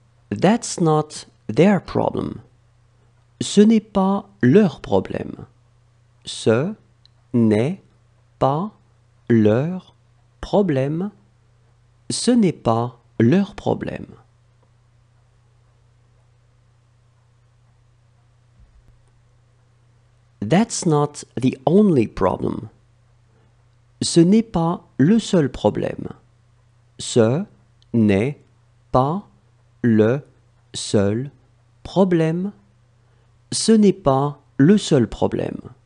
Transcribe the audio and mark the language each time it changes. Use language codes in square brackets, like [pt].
[en] That's not their problem. [fr] Ce n'est pas leur problème. Ce n'est pas leur problème. Ce n'est pas leur problème. [en] That's not the only problem. [fr] Ce n'est pas le seul problème. Ce n'est pas le seul problème. Ce n'est pas le seul problème.